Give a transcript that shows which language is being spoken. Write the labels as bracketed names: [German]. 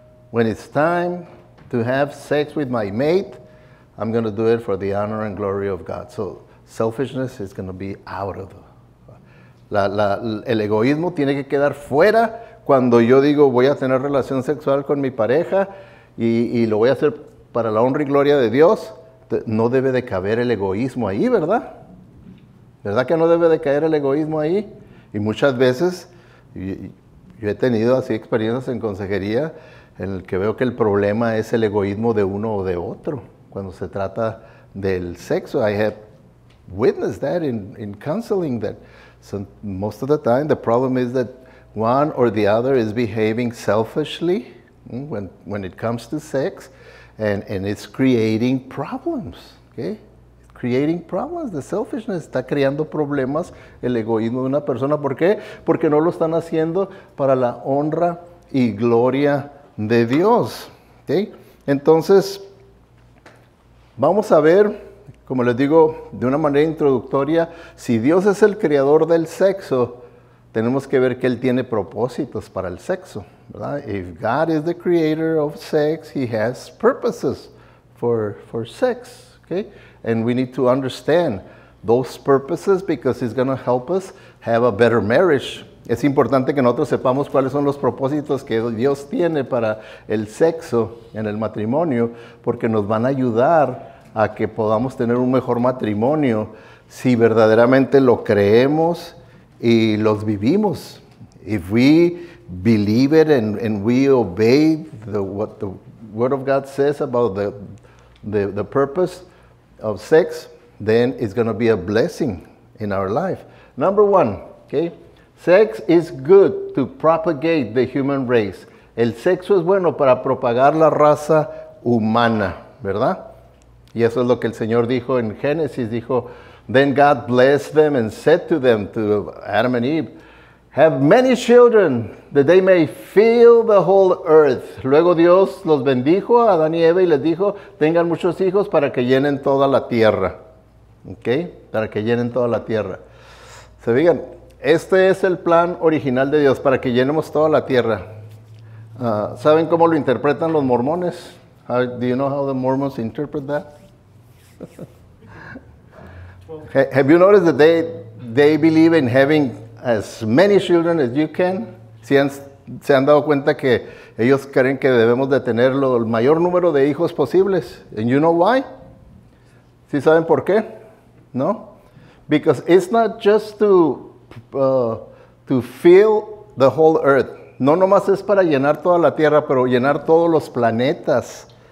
[English] When it's time to have sex with my mate, I'm going to do it for the honor and glory of God. So selfishness is going to be out of the... [Spanish] El egoísmo tiene que quedar fuera cuando yo digo voy a tener relación sexual con mi pareja y lo voy a hacer para la honra y gloria de Dios. No debe de caber el egoísmo ahí, ¿verdad? ¿Verdad que no debe de caer el egoísmo ahí? Y muchas veces, yo he tenido así experiencias en consejería, en el que veo que el problema es el egoísmo de uno o de otro, cuando se trata del sexo. [English] I have witnessed that in counseling. That so most of the time, the problem is that one or the other is behaving selfishly when it comes to sex, and it's creating problems, okay? Creating problems, the selfishness. [Spanish] Está creando problemas el egoísmo de una persona. ¿Por qué? Porque no lo están haciendo para la honra y gloria de Dios. ¿Okay? Entonces, vamos a ver, como les digo, de una manera introductoria, si Dios es el creador del sexo, tenemos que ver que Él tiene propósitos para el sexo, ¿verdad? [English] If God is the creator of sex, He has purposes for sex. ¿Okay? And we need to understand those purposes because it's going to help us have a better marriage. [Spanish] Es importante que nosotros sepamos cuáles son los propósitos que Dios tiene para el sexo en el matrimonio, porque nos van a ayudar a que podamos tener un mejor matrimonio si verdaderamente lo creemos y los vivimos. [English] If we believe it and we obey what the Word of God says about the purpose of sex, then it's going to be a blessing in our life. Number one, okay? Sex is good to propagate the human race. [Spanish] El sexo es bueno para propagar la raza humana, ¿verdad? Y eso es lo que el Señor dijo en Génesis. Dijo, [English] then God blessed them and said to them, to Adam and Eve, have many children that they may fill the whole earth. [Spanish] Luego Dios los bendijo a Adán y Eva y les dijo, tengan muchos hijos para que llenen toda la tierra. ¿Ok? Para que llenen toda la tierra. Se digan, este es el plan original de Dios, para que llenemos toda la tierra. ¿Saben cómo lo interpretan los mormones? [English] Do you know how the Mormons interpret that? Have you noticed that they believe in having as many children as you can? [Spanish] ¿Se han dado cuenta que ellos creen que debemos de tener el mayor número de hijos posibles? [English] And you know why? [Spanish] ¿Sí saben por qué? [English] No? Because it's not just to to fill the whole earth. [Spanish] No nomás es para llenar toda la tierra, pero llenar todos los planetas.